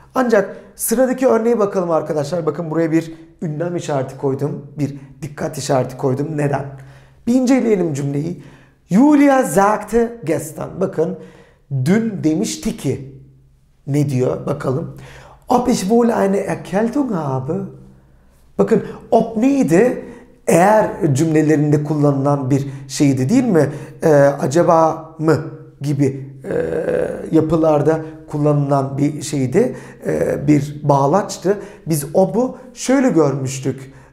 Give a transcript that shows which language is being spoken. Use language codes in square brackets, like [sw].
[tr] Ancak sıradaki örneğe bakalım arkadaşlar. Bakın buraya bir ünlem işareti koydum. Bir dikkat işareti koydum. Neden? Bir inceleyelim cümleyi. [de] Julia sagte gestern. [tr] Bakın dün demişti ki ne diyor bakalım. [de] Ob ich wohl eine Erkältung habe? [tr] Bakın ob neydi? Eğer cümlelerinde kullanılan bir şeydi değil mi? Acaba mı gibi yapılarda kullanılan bir şeydi. Bir bağlaçtı. Biz ob'u şöyle görmüştük.